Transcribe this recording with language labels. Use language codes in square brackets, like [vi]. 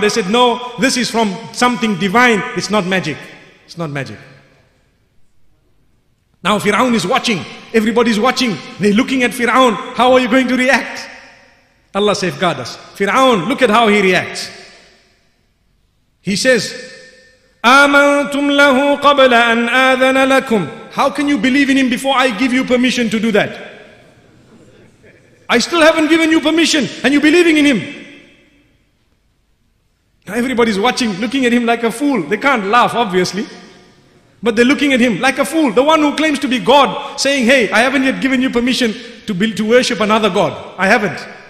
[en] They said, no, this is from something divine. It's not magic. It's not magic. Now Fir'aun is watching. Everybody's watching. They're looking at Fir'aun. How are you going to react? Allah safeguard us. Fir'aun, look at how he reacts. He says, [ar] آمنتم له قبل أن آذن لكم. [en] How can you believe in him before I give you permission to do that? I still haven't given you permission and you're believing in him. Now everybody's watching, looking at him like a fool. They can't laugh, obviously. But they're looking at him like a fool. The one who claims to be God, saying, hey, I haven't yet given you permission to worship another God. I haven't.